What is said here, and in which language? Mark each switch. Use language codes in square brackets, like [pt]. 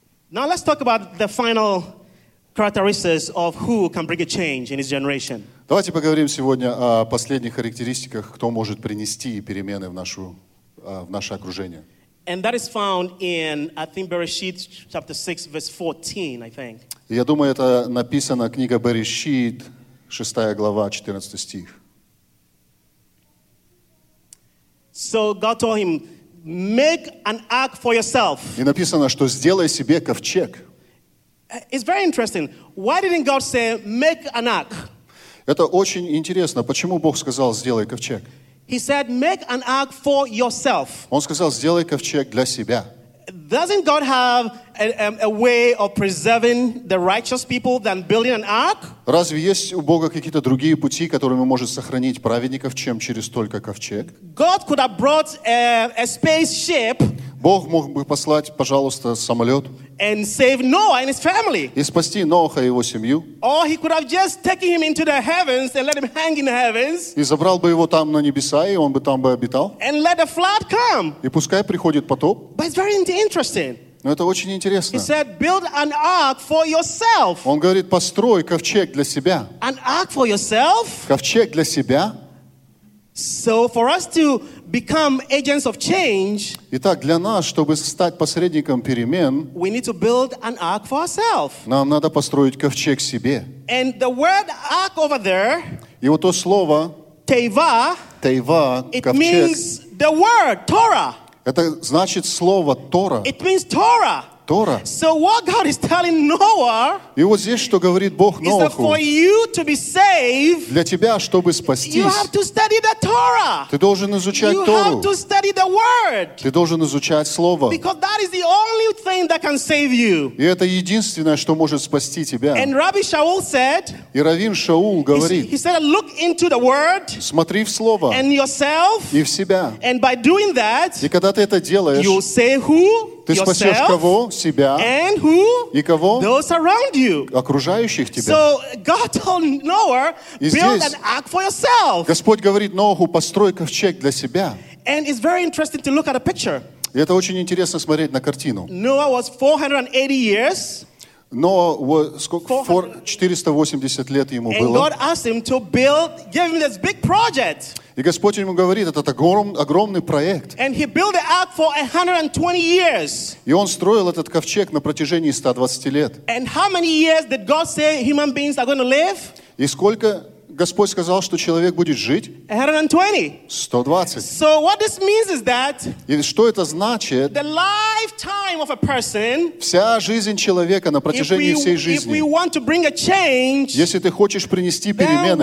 [en] Now let's talk about the final characteristics of who can bring a change in his generation. [ru] Давайте поговорим сегодня о последних характеристиках, кто может принести перемены в наше окружение. [en] And that is found in, I think, Bereshit chapter 6, verse 14, I think. [ru] Я думаю, это написано книга Берешит, 6 глава, 14 стих. [en] So God told him, make an ark for yourself. [ru] И написано, что сделай себе ковчег. [en] It's very interesting. Why didn't God say, make an ark? [ru] Это очень интересно. Почему Бог сказал, сделай ковчег? [en] He said, make an ark for yourself. [ru] Он сказал, сделай ковчег для себя. [en] Doesn't God have a way of preserving the righteous people than building an ark? [ru] Разве есть у Бога какие-то другие пути, которыми может сохранить праведников, чем через только ковчег? [en] God could have brought a spaceship. [ru] Бог мог бы послать, пожалуйста, самолет. [en] And save Noah and his family. [ru] И спасти Ноаха и его семью. [en] Or he could have just taken him into the heavens and let him hang in the heavens. [ru] И забрал бы его там на небеса, и он бы там бы обитал. [en] And let the flood come. [ru] И пускай приходит потоп. [en] But it's very interesting. [ru] Но это очень интересно. [en] He said, build an ark for yourself. [ru] Он говорит, построй ковчег для себя. [en] An ark for yourself. [ru] Ковчег для себя. [en] So for us to become agents of change. [ru] Итак, для нас, чтобы стать посредником перемен, [en] we need to build an ark for ourselves. [ru] Нам надо построить ковчег себе. [en] And the word ark over there. [ru] И вот то слово. [he] Тейва. Тейва. [en] It means the word Torah. [ru] Это значит слово Тора. [en] It means Torah. [ru] Тора. [en] So what God is telling Noah? [ru] И вот здесь что говорит Бог Ноаху? [en] Is that for you to be saved? [ru] Для тебя, чтобы спастись. [en] You have to study the Torah. [ru] Ты должен изучать [en] you [ru] Тору. [en] You have to study the Word. [ru] Ты должен изучать Слово. [en] Because that is the only thing that can save you. [ru] И это единственное, что может спасти тебя. [en] And Rabbi Shaul said. [ru] И Раввин Шаул говорит. [en] He said, look into the Word. [ru] Смотри в Слово. [en] And yourself. [ru] И в себя. [en] And by doing that. [ru] И когда ты это делаешь. [en] You'll say who? [ru] Ты спасешь кого? Себя. [en] And who? [ru] И кого? [en] Those around you. [ru] Окружающих тебя. [en] So God told Noah, build an ark for yourself. [ru] Господь говорит Ноаху, построй ковчег для себя. [en] And it's very interesting to look at a picture. [ru] И это очень интересно смотреть на картину. [en] Noah was 480 years. [ru] Noah 480 лет ему [en] and [ru] было. [en] And God asked him to build, give him this big project. [ru] И Господь ему говорит, это огромный проект. [en] And he built the ark for 120 years. [ru] И он строил этот ковчег на протяжении 120 лет. [en] And how many years did God say human beings are going to live? [ru] И сколько Господь сказал, что человек будет жить? [en] 120. [ru] 120. [en] So what this means is that [ru] и что это значит? [en] The lifetime of a person, [ru] вся жизнь человека на протяжении всей жизни. [en] If we want to bring a change, [ru] если ты хочешь принести перемены,